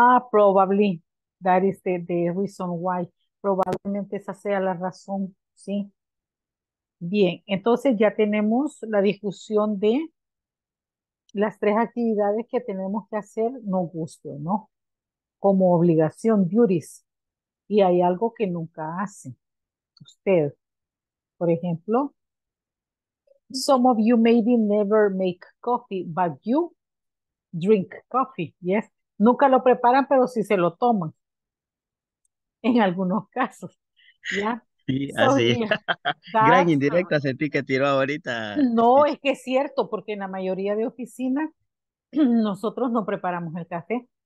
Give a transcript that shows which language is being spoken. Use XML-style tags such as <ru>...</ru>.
<en>Probably. That is the reason why.</en> <es>Probablemente esa sea la razón, ¿sí? Bien, entonces ya tenemos la discusión de las tres actividades que tenemos que hacer, no gusto, ¿no? Como obligación, duties, y hay algo que nunca hace usted. Por ejemplo,</es> <en>some of you maybe never make coffee, but you drink coffee, yes.</en> <es>Nunca lo preparan, pero sí se lo toman, en algunos casos, ¿ya? Sí, so, así. Gran indirecta sentí que tiró ahorita. No, es que es cierto, porque en la mayoría de oficinas, nosotros no preparamos el café.</es>